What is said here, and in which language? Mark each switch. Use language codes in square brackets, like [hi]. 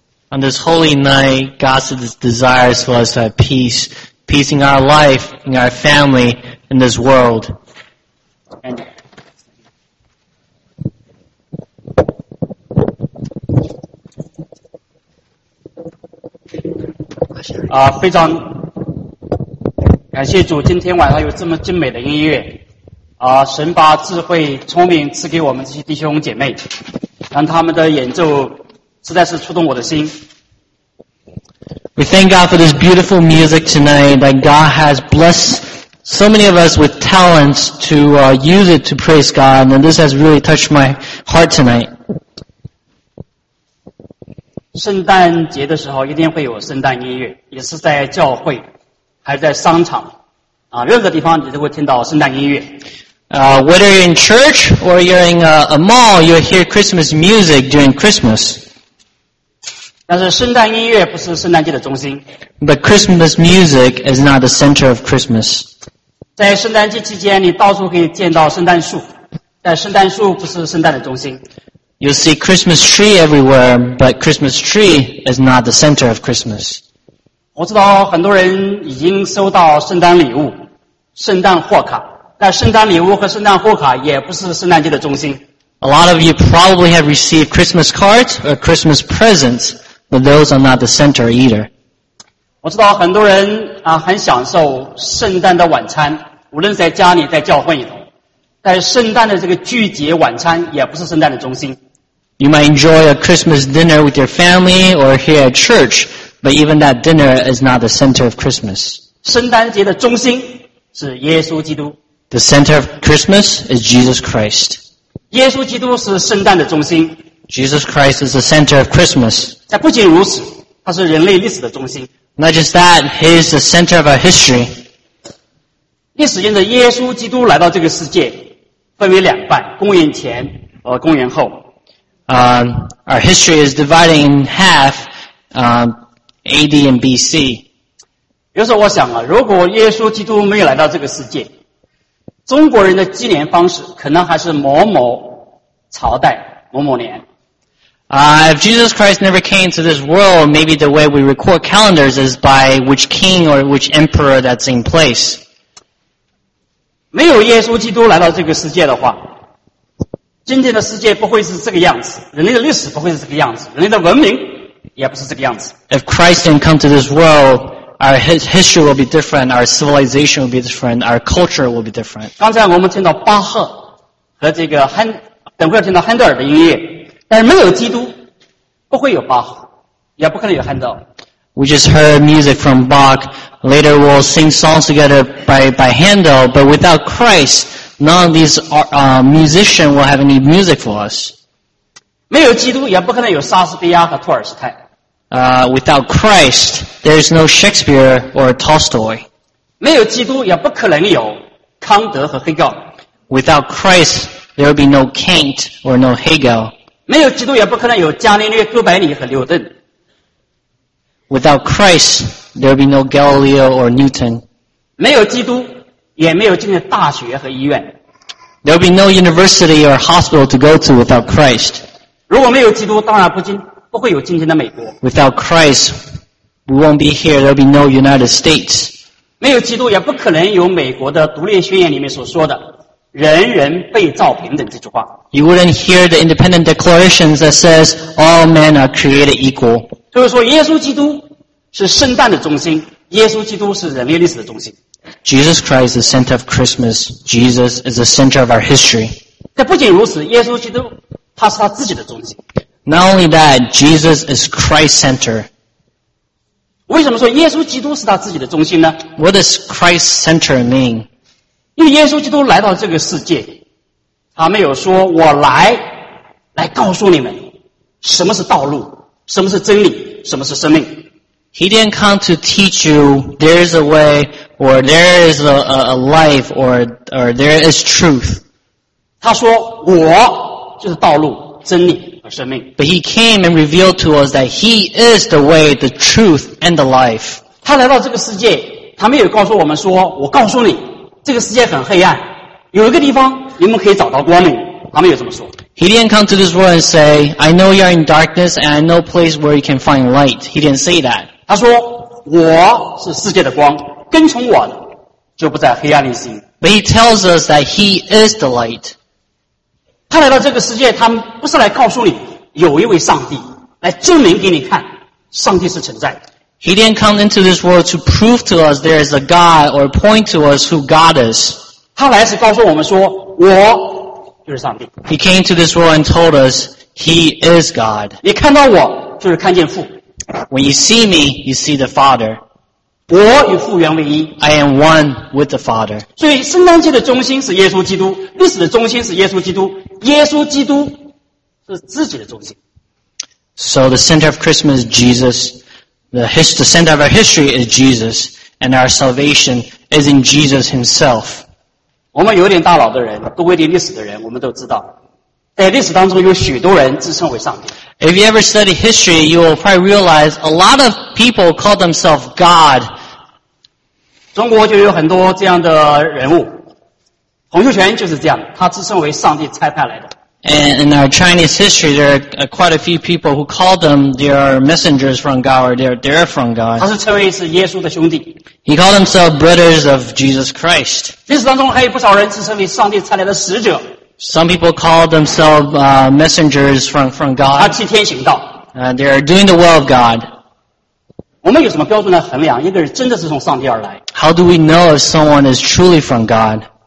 [en] On this holy night, God desires for us to have peace, peace in our life, in our family, in this world. [zh] And非常感谢主，今天晚上有这么精美的音乐神把智慧聪明赐给我们这些弟兄姐妹，让他们的演奏实在是触动我的心。 [en] We thank God for this beautiful music tonight, that God has blessed so many of us with talents to use it to praise God, and this has really touched my heart tonight. [zh] 圣诞节的时候一定会有圣诞音乐，也是在教会还在商场任何地方你都会听到圣诞音乐。 [en] Whether you're in church or you're in a mall, you'll hear Christmas music during Christmas. [zh] 但是圣诞音乐不是圣诞节的中心。 [en] But Christmas music is not the center of Christmas. [zh] 在圣诞节期间你到处可以见到圣诞树，但圣诞树不是圣诞的中心。 [en] You'll see Christmas tree everywhere, but Christmas tree is not the center of Christmas. [zh] 我知道很多人已经收到圣诞礼物，圣诞贺卡，但圣诞礼物和圣诞贺卡也不是圣诞节的中心。 [en] A lot of you probably have received Christmas cards or Christmas presents, but those are not the center either. [zh] 我知道很多人很享受圣诞的晚餐，无论在家里在教会里头。但圣诞的这个聚集晚餐也不是圣诞的中心。 [en] You might enjoy a Christmas dinner with your family or here at church, but even that dinner is not the center of Christmas. [zh] 圣诞节的中心是耶稣基督。 [en] The center of Christmas is Jesus Christ. [zh] 耶稣基督是圣诞的中心。 [en] Jesus Christ is the center of Christmas. [zh] 但不仅如此，他是人类历史的中心。 [en] Not just that, he is the center of our history. [zh] 历史上的耶稣基督来到这个世界分为两半，公元前和公元后。 [en] Our history is divided in half, AD and BC. [zh] 有时候我想如果耶稣基督没有来到这个世界，中国人的纪念方式可能还是某某朝代某某年。 [en] If Jesus Christ never came to this world, maybe the way we record calendars is by which king or which emperor that's in place. [zh] 没有耶稣基督来到这个世界的话，今天的世界不会是这个样子，人类的历史不会是这个样子，人类的文明也不是这个样子。 [en] If Christ didn't come to this world, our history will be different, our civilization will be different, our culture will be different. [zh] 刚才我们听到巴赫和这个等会儿听到亨德尔的音乐，但是没有基督，不会有巴赫，也不可能有亨德尔。 [en] We just heard music from Bach. Later we'll sing songs together by Handel. But without Christ, none of these musicians will have any music for us. [zh] 没有基督也不可能有莎士比亚和托尔斯泰。 [en] Without Christ, there is no Shakespeare or Tolstoy. [zh] 没有基督也不可能有康德和黑格尔。 [en] Without Christ, there will be no Kant or no Hegel. [zh] 没有基督也不可能有伽利略、哥白尼和牛顿。 [en] Without Christ, there will be no Galileo or Newton. [zh] 没有基督，也没有今天的大学和医院。 [en] There will be no university or hospital to go to without Christ. [zh] 如果没有基督，当然不会有今天的美国。 [en] Without Christ, we won't be here. There will be no United States. [zh] 没有基督，也不可能有美国的独立宣言里面所说的“人人被造平等”这句话。 [en] You wouldn't hear the Independent Declaration that says all men are created equal. [zh] 就是说耶稣基督是圣诞的中心，耶稣基督是人类历史的中心。 [en] Jesus Christ is the center of Christmas. Jesus is the center of our history. [zh] 但不仅如此，耶稣基督他是他自己的中心。 [en] Not only that, Jesus is Christ's center. [zh] 为什么说耶稣基督是他自己的中心呢？ [en] What does Christ's center mean? [zh] 因为耶稣基督来到这个世界，他没有说我来告诉你们什么是道路，什么是真理，什么是生命。 [en] He didn't come to teach you there is a way or there is a life or there is truth. [zh] 他说我就是道路、真理和生命。 [en] But he came and revealed to us that he is the way, the truth, and the life. [zh] 他来到这个世界，他没有告诉我们说，我告诉你，这个世界很黑暗，有一个地方你们可以找到光明。他没有这么说。 [en] He didn't come to this world and say, I know you're in darkness and I know place where you can find light. He didn't say that. [zh] 他说，我是世界的光，跟从我的就不在黑暗里行。 [en] But he tells us that he is the light. [zh] 他来到这个世界，他不是来告诉你有一位上帝，来证明给你看上帝是存在的。 [en] He didn't come into this world to prove to us there is a God or point to us who God is. [zh] 他来是告诉我们说，我就是上帝。 [en] He came to this world and told us he is God. [zh] 你看到我就是看见父。 [en] When you see me, you see the Father. [zh] 我与父原为一。 [en] I am one with the Father. [zh] 所以圣诞节的中心是耶稣基督，历史的中心是耶稣基督，耶稣基督是自己的中心。 [en] So the center of Christmas is Jesus. The center of our history is Jesus. And our salvation is in Jesus himself. [zh] 我们有点大脑的人，读过一点历史的人，我们都知道，在历史当中有许多人自称为上帝。 [en] If you ever study history, you will probably realize a lot of people call themselves God. [zh] 中国就有很多这样的人物，洪秀全就是这样，他自称为上帝差派来的。 [en] And in our Chinese history, there are quite a few people who call them, they are messengers from God, or they're from God. [zh] 他是称为是耶稣的兄弟。 [en] He called himself brothers of Jesus Christ. [zh] 历史当中还有不少人自称为上帝差来的使者。 [en] Some people call themselves, messengers from God. [zh] 他替天行道。 [en] They are doing the will of God. [zh] 我们有什么标准来衡量一个人真的是从上帝而来？ [en] How do we know if someone is truly from God?